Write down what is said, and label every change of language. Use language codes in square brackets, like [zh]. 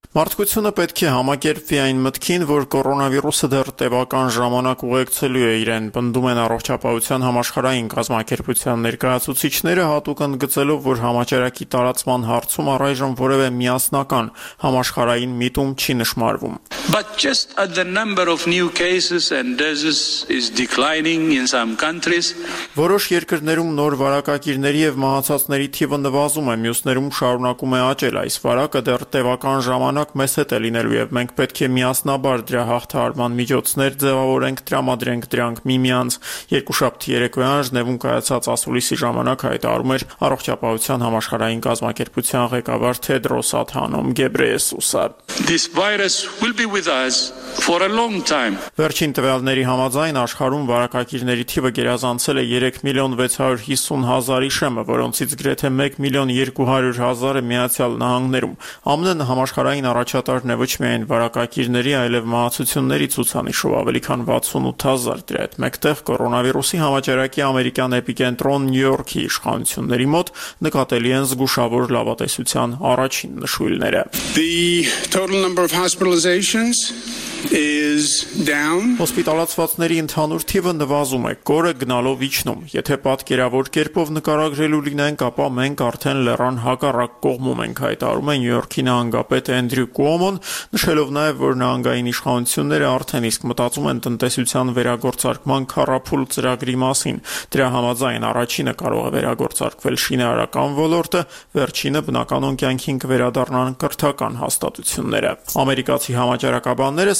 [hy] Մարդկությունը պետք է համակերպվի այն մտքին, որ կորոնավիրուսը դեռ տևական ժամանակ ուղեկցելու է իրեն, պնդում են առողջապահության համաշխարհային կազմակերպության ներկայացուցիչները, հատուկ ընդգծելով, որ համաճարակի տարածման հարցում առայժմ որևէ միասնական համաշխարհային միտում չի նշմարվում։ [en] But just at the number of new cases and deaths is declining in some countries. [hy] Որոշ երկրներում նոր վարակակիրների եւ մահացածների թիվը նվազում է, մյուսներում շարունակում է աճել, այս վարակը դեռ տևական ժամանակ մեզ հետ է լինելու և մենք պետք է միասնաբար դրա հաղթահարման միջոցներ ձևավորենք, տրամադրենք դրանք միմյանց։ Երկու շաբթի երեկոյան Ժնևում կայացած ասուլիսի ժամանակ հայտարարում էր առողջապահության համաշխարհային կազմակերպության ղեկավար Թեդրոս Աթանոմ Գեբրեյեսուսը։ [en] This virus will be with us for a long time. [hy] Վերջին տվյալների համաձայն աշխարհում վարակակիրների թիվը գերազանցել է 3,650,000-ի շեմը, որոնցից գրեթե 1,200,000-ը Միացյալ Նահանգներում։ ԱՄՆ-ն համաշխարհային առաջատարն է ոչ միայն վարակակիրների, այլև մահացությունների ցուցանիշով, ավելի քան 68,000 դրա հետ մեկտեղ կորոնավիրուսի համաճարակի ամերիկյան էպիկենտրոն Նյու-Յորքի իշխանությունների մոտ նկատելի են զգուշավոր լավատեսության առաջին նշույլները։ [en] Total number of hospitalizations is down. [hy] Հոսպիտալացվածների ընդհանուր թիվը նվազում է, կորը գնալով իջնում։ Եթե պատկերավոր կերպով նկարագրելու լինենք, ապա մենք արդեն լեռան հակառակ կողմում ենք, հայտարարում է Նյու-Յորքի նահանգապետ Անդրյու Կուոմոն, նշելով նաև, որ նահանգային իշխանությունները արդեն իսկ մտածում են տնտեսության վերագործարկման քառափուլ ծրագրի մասին։ Դրա համաձայն առաջինը կարող է վերագործարկվել շինարարական ոլորտը, վերջինը բնական օնկյանքին կվերադառնան կրթական հաստատությունները։ Ամերիկացի համաճարակաբանները